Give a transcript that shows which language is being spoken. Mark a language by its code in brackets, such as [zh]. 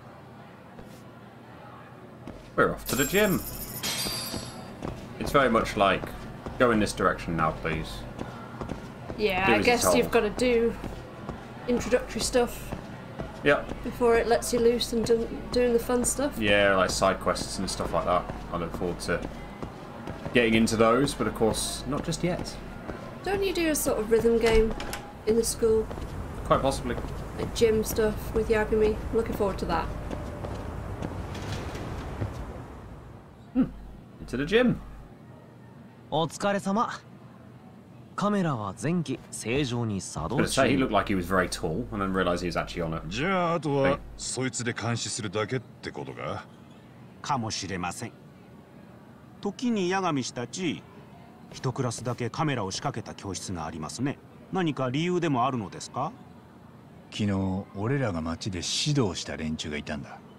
[ja] 矢上執刀ぞ。ああ、こっちは全部仕掛け終わったよ。我々の方も仕掛けをありました。海藤さんと体育館へお越しいただけますか。今ちょうど誰もいません。そこで仕掛けたカメラを見ながら今後の調査方針を検討しましょう。分かった。体育館だな。 [en] We're off to the gym. It's very much like go in this direction now, please. Yeah, I guess you've got to do introductory stuff. Yep. Before it lets you loose and doing the fun stuff. Yeah, like side quests and stuff like that. I look forward to getting into those, but of course, not just yet. Don't you do a sort of rhythm game in the school? Quite possibly. Like gym stuff with Yagami. I'm looking forward to that. Into the gym. [ja] お疲れ様。カメラは前期正常に作動中。 [en] He looked like he was very tall, and then realized he was actually on it. [ja] じゃあ、あとはそいつで監視するだけってことか。かもしれません。時に矢上氏たち、一クラスだけカメラを仕掛けた教室がありますね。何か理由でもあるのですか？昨日、俺らが街で指導した連中がいたんだ。